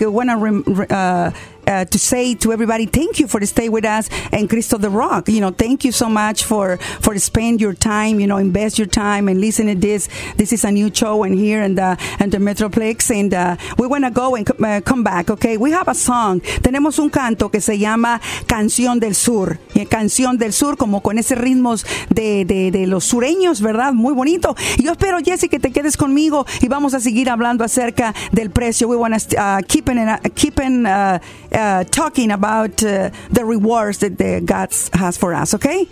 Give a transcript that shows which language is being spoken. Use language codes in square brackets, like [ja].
[en] We wanna to say to everybody, thank you for staying with us and Cristo the Rock. You know, thank you so much for spend your time, you know, invest your time and listen to this. This is a new show and here and the Metroplex, and we wanna go and come back. Okay, we have a song. [es] Tenemos un canto que se llama Canción del Sur. Y Canción del Sur, como con ese ritmo de los sureños, ¿verdad? Muy bonito. Y yo espero, Jesse, que te quedes conmigo y vamos a seguir hablando acerca del precio. [en] We want to keep talking about the rewards that God has for us, ¿ok?